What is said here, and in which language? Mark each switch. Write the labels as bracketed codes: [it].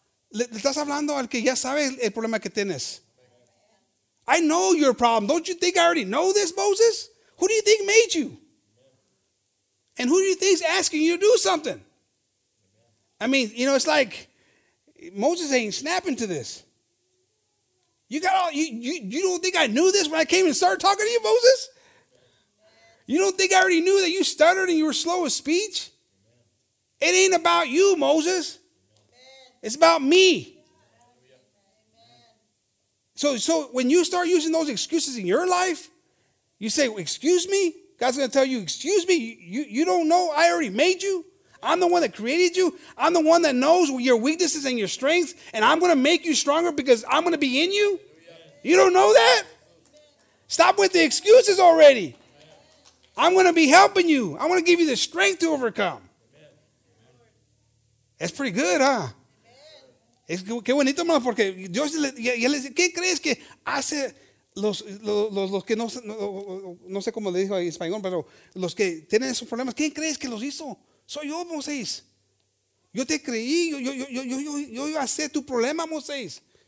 [es] Le estás hablando al que ya sabe el problema que tienes. [en] I know your problem. Don't you think I already know this, Moses? Who do you think made you? And who do you think is asking you to do something? I mean, you know, it's like Moses ain't snapping to this. You don't think I knew this when I came and started talking to you, Moses? You don't think I already knew that you stuttered and you were slow of speech? It ain't about you, Moses. It's about me. So when you start using those excuses in your life, you say, excuse me? God's going to tell you, excuse me? You don't know? I already made you. I'm the one that created you. I'm the one that knows your weaknesses and your strengths, and I'm going to make you stronger because I'm going to be in you. You don't know that? Stop with the excuses already. I'm going to be helping you. I'm going to give you the strength to overcome. That's pretty good, huh? [es] Qué bonito, hermano, porque Dios ya le dice, ¿qué crees que hace los que no sé cómo le dijo en español, pero los que tienen esos problemas, ¿quién crees que los hizo? Soy yo, Moisés. Yo te creí, yo iba a ser tu problema, Moisés.